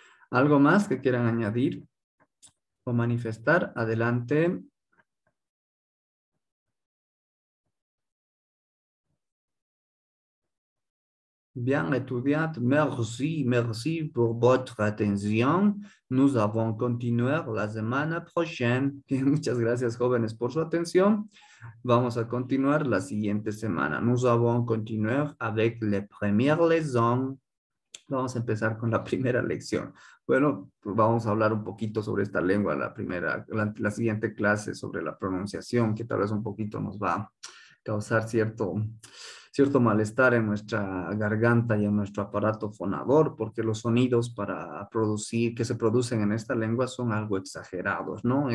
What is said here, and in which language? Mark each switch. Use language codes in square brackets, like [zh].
[es] ¿Algo más que quieran añadir o manifestar? Adelante. [fr] Bien, estudiantes, merci, merci por votre atención. Nous allons continuer la semana prochaine. [es] Muchas gracias, jóvenes, por su atención. Vamos a continuar la siguiente semana. [fr] Nous allons continuer avec la première leçon. [es] Vamos a empezar con la primera lección. Bueno, pues vamos a hablar un poquito sobre esta lengua, la siguiente clase sobre la pronunciación, que tal vez un poquito nos va a causar cierto malestar en nuestra garganta y en nuestro aparato fonador, porque los sonidos para producir, que se producen en esta lengua, son algo exagerados, ¿no?